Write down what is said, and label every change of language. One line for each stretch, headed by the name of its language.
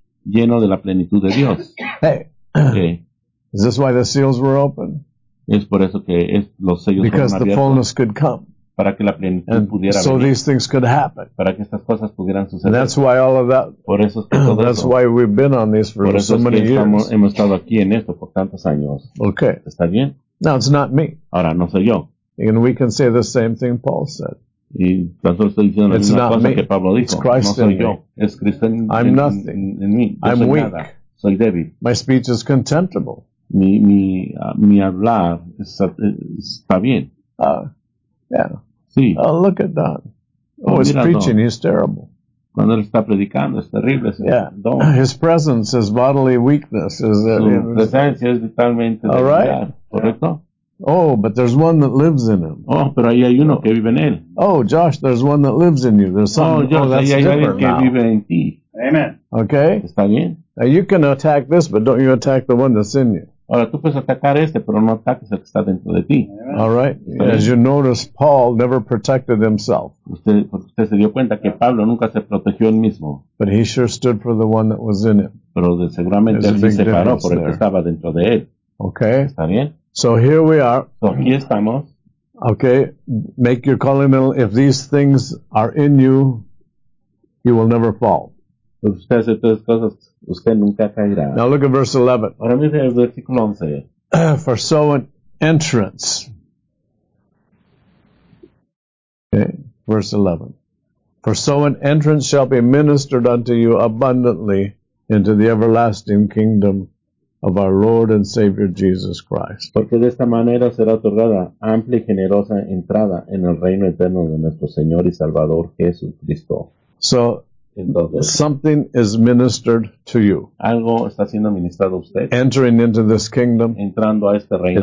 Spanish: Lleno de la plenitud de Dios.
English: Hey. Okay. Is this why the seals were open?
Spanish: Es por eso que los sellos
English: because the fullness could come.
Spanish: para que la plenitud pudiera venir.
English: So these things could happen.
Spanish: Para que estas cosas pudieran suceder.
English: That's why all of that.
Spanish: Por eso es que todo
English: that's why we've been on this for so many years.
Spanish: Por eso es que hemos estado aquí en esto por tantos años.
English: Okay.
Spanish: ¿Está bien?
English: Now it's not me.
Spanish: Ahora no soy yo.
English: And we can say the same thing Paul said.
Spanish: Y tanto estoy diciendo la misma cosa que Pablo dijo.
English: It's
Spanish: no soy yo.
English: Me.
Spanish: Es Cristo en
English: I'm nothing.
Spanish: En mí. Yo
English: I'm
Spanish: soy
English: weak.
Spanish: Nada. Soy débil.
English: My speech is contemptible.
Spanish: Mi hablar está bien. Sí.
English: Oh, look at Don. Oh, he's preaching. Don. He's terrible.
Spanish: Cuando él está predicando, es terrible. Es
English: yeah. Don. His presence is bodily weakness. Is
Spanish: su presencia es vitalmente
English: all right.
Spanish: Debilidad. ¿Correcto?
English: Yeah. Oh, but there's one that lives in him.
Spanish: Oh, pero ahí hay uno que vive en él.
English: Oh, Josh, there's one that lives in you. There's oh, someone Josh, oh, that's
Spanish: ahí hay alguien
English: now.
Spanish: Que vive en ti.
English: Amen. Okay.
Spanish: Está bien.
English: Now you can attack this, but don't you attack the one that's in you.
Spanish: Ahora tú puedes atacar este, pero no ataques el que está dentro de ti.
English: All right. As you notice, Paul never protected himself.
Spanish: Usted se dio cuenta que Pablo nunca se protegió él mismo.
English: But he sure stood for the one that was in him.
Spanish: Pero seguramente
English: there's
Spanish: él sí se paró por el que estaba dentro de él.
English: Okay.
Spanish: Está bien.
English: So here we are.
Spanish: So aquí estamos.
English: Okay. Make your calling. If these things are in you, you will never fall.
Spanish: Usted hace todas cosas, usted nunca caerá.
English: Now look at verse 11.
Spanish: Ahora mire el versículo 11.
English: For so an entrance. Okay, verse 11. For so an entrance shall be ministered unto you abundantly into the everlasting kingdom of our Lord and Savior Jesus Christ.
Spanish: Porque de esta manera será otorgada amplia y generosa entrada en el reino eterno de nuestro Señor y Salvador Jesucristo.
English: So,
Spanish: entonces,
English: something is ministered to you.
Spanish: Algo está siendo ministrado a usted.
English: Entering into this kingdom.
Spanish: Entrando a este reino.